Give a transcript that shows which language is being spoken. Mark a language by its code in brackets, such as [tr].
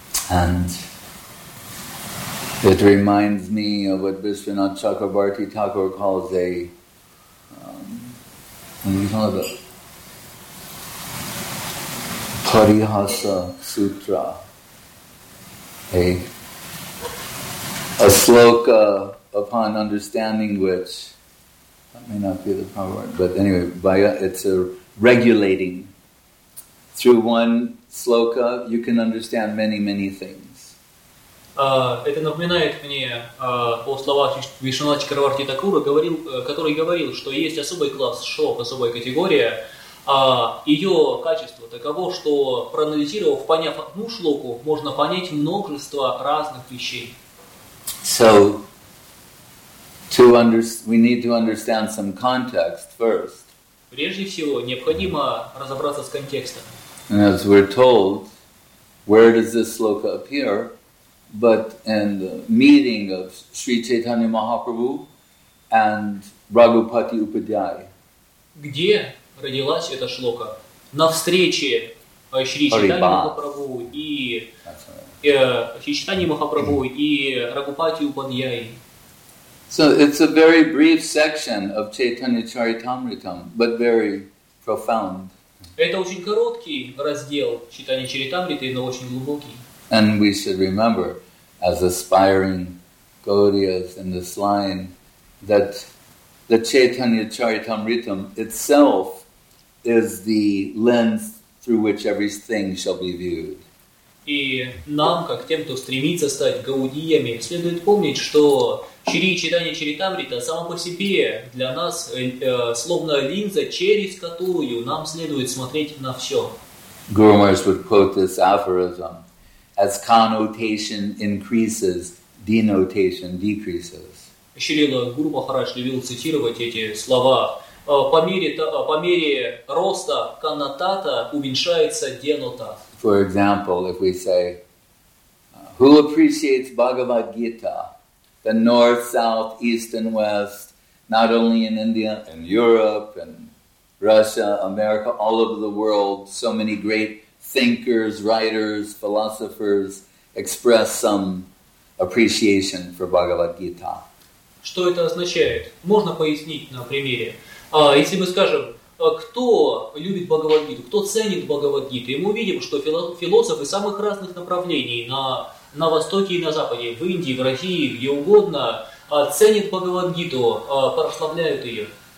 [en] And it reminds me of what Vishwanath Chakrabarti Thakur calls a Parihasa Sutra, a sloka upon understanding which, that may not be the proper word, but anyway, it's a regulating. Through one sloka, you can understand many, many things. [ru] Это напоминает мне о словах Вишнуната Чакраварти Такура, который говорил, что есть особый класс шлок, особая категория. Ее качество таково, что проанализировав, поняв одну шлоку, можно понять множество разных вещей. [en] So, we need to understand some context first. [ru] Прежде всего, необходимо разобраться с контекстом. [en] And as we're told, where does this sloka appear? But in the meeting of Sri Chaitanya Mahaprabhu and Raghupati Upadhyay. [ru] Где родилась эта шлока? На встрече Шри Чайтанья Махапрабху и Шри Чайтанья Махапрабху и Раghupati Upadhyay. [en] So it's a very brief section of Chaitanya Charitamritam, but very profound. [ru] Это очень короткий раздел Чайтанья Чаритамриты, но очень глубокий. [en] And we should remember, as aspiring Gaudiyas in this line, that the Chaitanya Charitamritam itself is the lens through which everything shall be viewed. [ru] И нам, как тем, кто стремится стать гаудиями, следует помнить, что Чайтанья Чаритамрита само по себе для нас словно линза, через которую нам следует смотреть на все. [en] Guru Maharaj would quote this aphorism. As connotation increases, denotation decreases. [ru] Шрила Гуру Махарадж любил цитировать эти слова. По мере роста коннотата уменьшается денотат. [en] For example, if we say, who appreciates Bhagavad Gita? The north, south, east and west, not only in India and Europe and Russia, America, all over the world, so many great thinkers, writers, philosophers express some appreciation for Bhagavad Gita. [ru] Что это означает? Можно пояснить на примере. Если мы скажем, кто любит Бхагавад Гиту, кто ценит Бхагавад Гиту, и мы увидим, что философы самых разных направлений на Востоке и на Западе, в Индии, в России, где угодно, ценят Бхагавад Гиту, прославляют ее.